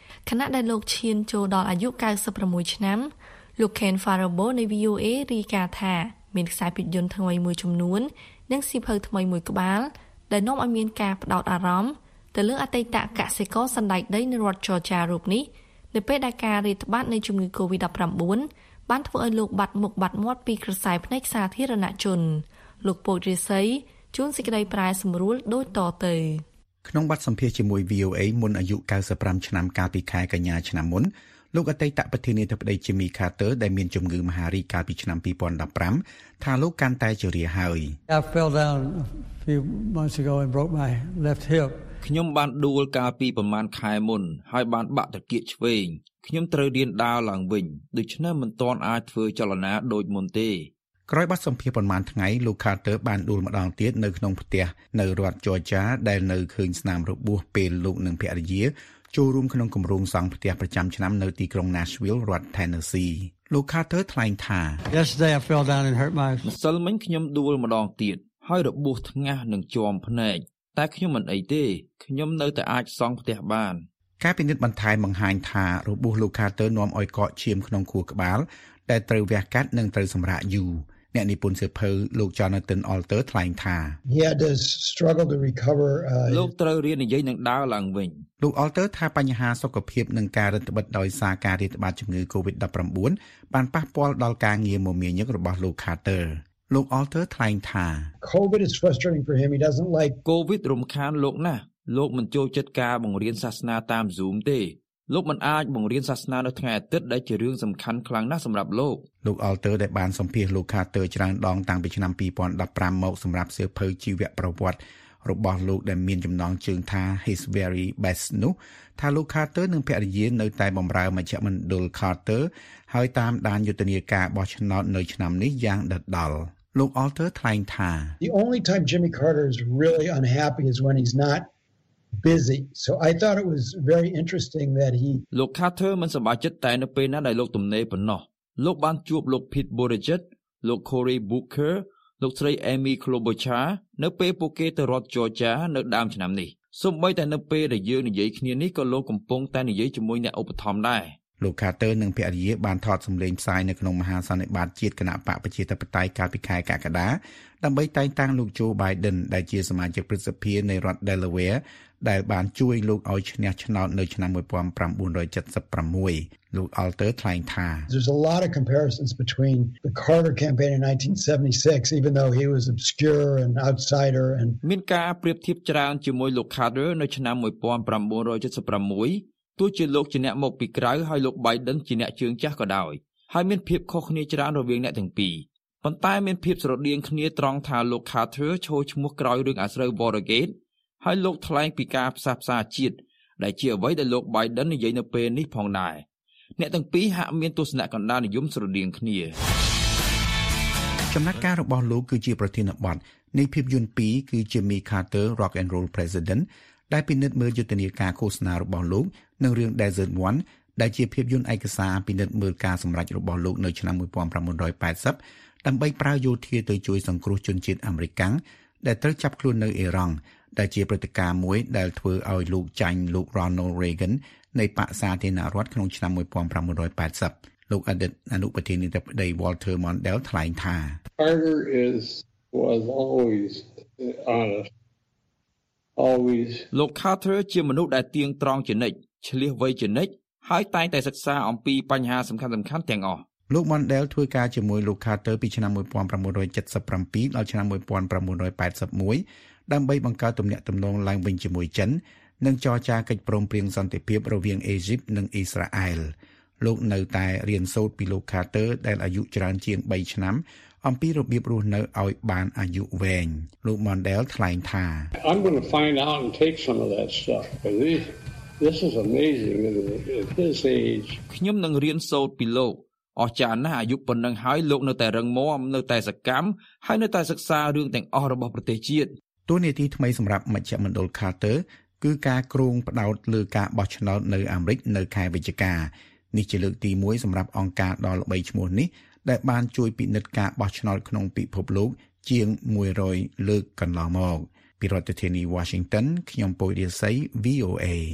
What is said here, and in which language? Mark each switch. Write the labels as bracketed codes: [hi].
[km] ខណៈដែលលោកឈានចូលដល់អាយុ96ឆ្នាំលោក Ken Farabo នៃ VOA រាយការណ៍ថាមានខ្សែភាពយន្តថ្មីមួយចំនួននិងសៀវភៅថ្មីមួយក្បាលដែលនាំឲ្យមានការផ្ដោតអារម្មណ៍ទៅលើអតីតកសិករសណ្ដែកដីនៅរដ្ឋ Georgia រូបនេះនៅពេលដែលការរាតត្បាតនៃជំងឺ COVID-19 បានធ្វើឲ្យលោកបាត់មុខបាត់មាត់ពីក្រសែភ្នែកសាធារណជនលោកពូចរិស័យជួនសេចក្តីប្រែសម្រួលដូចតទៅ ក្នុងបទសម្ភាសជាមួយ VOA មុនអាយុ95ឆ្នាំកាលពីខែកញ្ញាឆ្នាំមុនលោកអតីតប្រធានាធិបតី Jimmy Carter ដែលមានជំងឺមហារីកកាលពីឆ្នាំ2015ថាលោកកាន់តែជរាហើយ [en] I fell down a few months ago and broke my left hip [km] ខ្ញុំបានដួលកាលពីប្រមាណខែមុនហើយបានបាក់តាគៀកឆ្វេងខ្ញុំត្រូវរៀនដើរឡើងវិញដូច្នេះមិនទាន់អាចធ្វើចលនាដូចមុនទេ ក្រោយបាត់សម្ភារប្រមាណថ្ងៃលោក Carter បានដួលម្ដងទៀតនៅក្នុងផ្ទះនៅរដ្ឋ Georgia ដែលនៅឃើញស្នាមរបួសពេលលោកនិងភរិយាចូលរួមក្នុងគម្រោងសង់ផ្ទះប្រចាំឆ្នាំនៅទីក្រុង Nashville រដ្ឋ Tennessee លោក Carter ថ្លែងថា [en] Yesterday I fell down and hurt my [km] ម្សិលមិញខ្ញុំដួលម្ដងទៀតហើយរបួសថ្ងាសនិងជាំភ្នែកតែខ្ញុំមិនអីទេខ្ញុំនៅតែអាចសង់ផ្ទះបាន ការពិនិត្យបន្ថែមបង្ហាញថារបួសលោក Carter នាំឲ្យកកឈាមក្នុងខួរក្បាលដែលត្រូវវះកាត់និងត្រូវសម្រាកយូរអ្នកនិពន្ធសៀវភៅលោក Jonathan Alter ថ្លែងថា [en] He had to struggle to recover [km] លោកត្រូវរៀននិយាយនឹងដើរឡើងវិញ លោក Alter ថាបញ្ហាសុខភាពនិងការរឹតបន្តឹងដោយសារការរាតត្បាតជំងឺ COVID-19 បានប៉ះពាល់ដល់ការងារមមាញឹករបស់លោក Carter លោក Alter ថ្លែងថា [en] COVID is frustrating for him. He doesn't like [km] COVID រំខានលោកណាស់លោកមិនចូលចិត្តការបង្រៀនសាសនាតាម Zoom ទេលោកមិនអាចបង្រៀនសាសនានៅថ្ងៃអាទិត្យដែលជារឿងសំខាន់ខ្លាំងណាស់សម្រាប់លោក លោក Alter ដែលបានសម្ភាសលោក Carter ច្រើនដងតាំងពីឆ្នាំ2015មកសម្រាប់សៀវភៅជីវប្រវត្តិរបស់លោកដែលមានចំណងជើងថា His Very Best នោះថាលោក Carter និងភរិយានៅតែបម្រើមជ្ឈមណ្ឌល Carter ហើយតាមដានយុទ្ធនាការបោះឆ្នោតនៅឆ្នាំនេះយ៉ាងដិតដល់លោក Alter ថ្លែងថា [en] The only time Jimmy Carter is really unhappy is when he's notbusy so I thought it was very interesting that he [km] look Carter មិនសប្បាយចិត្តតែនៅពេលណាដែលលោកទំនេរប៉ុណ្ណោះលោកបានជួបលោក Pete Buttigieg លោក Cory Booker លោកស្រី Amy Klobuchar នៅពេលពួកគេទៅរដ្ឋ Georgia នៅដើមឆ្នាំនេះសូម្បីតែនៅពេលដែលយើងនិយាយគ្នានេះក៏លោកកំពុងតែនិយាយជាមួយអ្នកឧបត្ថម្ភដែរ លោក Carter និងភរិយាបានថតសម្លេងផ្សាយនៅក្នុងមហាសន្និបាតជាតិគណៈបកប្រជាធិបតេយ្យកាលពីខែកក្កដាដើម្បីតែងតាំងលោក Joe Biden ដែលជាសមាជិកព្រឹទ្ធសភានៃរដ្ឋ Delaware ដែលបានជួយលោកឲ្យឈ្នះឆ្នោតនៅឆ្នាំ1976លោក Alter ថ្លែងថា [en] There's a lot of comparisons between the Carter campaign in 1976 even though he was obscure and outsider and [km] មានការប្រៀបធៀបច្រើនជាមួយលោក Carter នៅឆ្នាំ1976ទោះជាលោកជាអ្នកមកពីក្រៅហើយលោក Biden ជាអ្នកជើងចាស់ក៏ដោយហើយមានភាពខុសគ្នាច្រើនរវាងអ្នកទាំងពីរប៉ុន្តែមានភាពស្រដៀងគ្នាត្រង់ថាលោក Carter ឈរឈ្មោះក្រោយរឿងអាស្រូវ Watergate ហើយលោកថ្លែងពីការផ្សះផ្សាជាតិដែលជាអ្វីដែលលោក Biden និយាយនៅពេលនេះផងដែរអ្នកទាំងពីរហាក់មានទស្សនៈកណ្ដាលនិយមស្រដៀងគ្នា ចំណាត់ការរបស់លោកគឺជាប្រធានបទនៃភាពយន្ត2គឺជា Jimmy Carter Rock and Roll President ដែលពិនិត្យមើលយុទ្ធនាការឃោសនារបស់លោកនឹងរឿង Desert One ដែលជាភាពយន្តឯកសារពិនិត្យមើលការសម្រេចរបស់លោកនៅឆ្នាំ 1980ដើម្បីប្រើយោធាទៅជួយសង្គ្រោះជនជាតិអាមេរិកាំងដែលត្រូវចាប់ខ្លួននៅអ៊ីរ៉ង់ដែលជាព្រឹត្តិការណ៍មួយដែលធ្វើឲ្យលោកចាញ់លោក Ronald Reagan នៃបក្សសាធារណរដ្ឋក្នុងឆ្នាំ1980លោកអតីតអនុប្រធានាធិបតី Walter Mondale ថ្លែងថា [en] Carter was always honest always [km] លោក Carter ជាមនុស្សដែលទៀងត្រង់ជានិច្ចឆ្លៀសវ័យជានិច្ចហើយតែងតែសិក្សាអំពីបញ្ហាសំខាន់ៗទាំងអស់ លោក Mondale ធ្វើការជាមួយលោក Carter ពីឆ្នាំ1977ដល់ឆ្នាំ1981ដើម្បីបង្កើតទំនាក់ទំនងឡើងវិញជាមួយចិននិងចរចាកិច្ចព្រមព្រៀងសន្តិភាពរវាងអេស៊ីបនិងអ៊ីស្រាអែលលោកនៅតែរៀនសូត្រពីលោក Carter ដែលអាយុច្រើនជាង3ឆ្នាំអំពីរបៀបរស់នៅឲ្យបានអាយុវែងលោក Mondale ថ្លែងថា [en] I'm going to find out and take some of that stuff this is amazing at his age [km] ខ្ញុំនឹងរៀនសូត្រពីលោកអស្ចារ្យណាស់អាយុប៉ុណ្ណឹងហើយលោកនៅតែរឹងមាំនៅតែសកម្មហើយនៅតែសិក្សារឿងទាំងអស់របស់ប្រទេសជាតិ ទូនីតិថ្មីសម្រាប់មជ្ឈមណ្ឌល Carter គឺការគ្រងផ្ដោតលើការបោះឆ្នោតនៅអាមេរិកនៅខែវិច្ឆិកានេះជាលើកទី1សម្រាប់អង្គការដ៏ល្បីឈ្មោះនេះដែលបានជួយពិនិត្យការបោះឆ្នោតក្នុងពិភពលោកជាង100លើកកន្លងមកពីរដ្ឋធានី Washington ខ្ញុំពុយឌីសៃ VOA